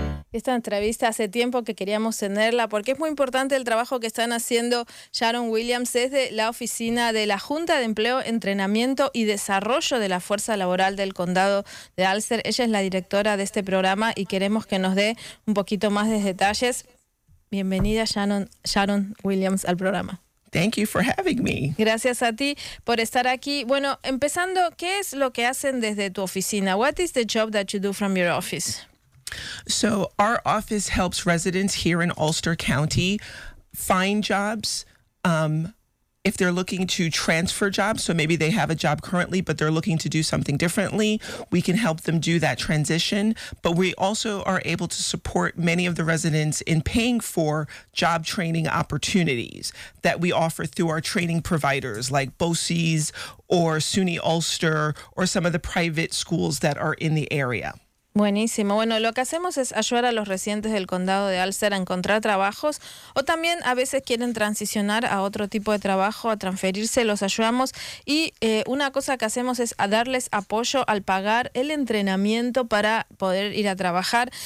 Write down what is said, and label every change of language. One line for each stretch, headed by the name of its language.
Spanish: Esta entrevista hace tiempo que queríamos tenerla porque es muy importante el trabajo que están haciendo Sharon Williams desde la oficina de la Junta de Empleo, Entrenamiento y Desarrollo de la Fuerza Laboral del Condado de Ulster. Ella es la directora de este programa y queremos que nos dé un poquito más de detalles. Bienvenida Sharon Williams al programa.
English: Thank you for having me.
Spanish: Gracias a ti por estar aquí. Bueno, empezando, ¿qué es lo que hacen desde tu oficina?
English: What is the job that you do from your office? So our office helps residents here in Ulster County find jobs. If they're looking to transfer jobs, so maybe they have a job currently, but they're looking to do something differently, we can help them do that transition. But we also are able to support many of the residents in paying for job training opportunities that we offer through our training providers like BOCES or SUNY Ulster or some of the private schools that are in the area.
Spanish: Buenísimo. Bueno, lo que hacemos es ayudar a los residentes del condado de Ulster a encontrar trabajos o también a veces quieren transicionar a otro tipo de trabajo, a transferirse, los ayudamos. Y una cosa que hacemos es a darles apoyo al pagar el entrenamiento para poder ir a trabajar.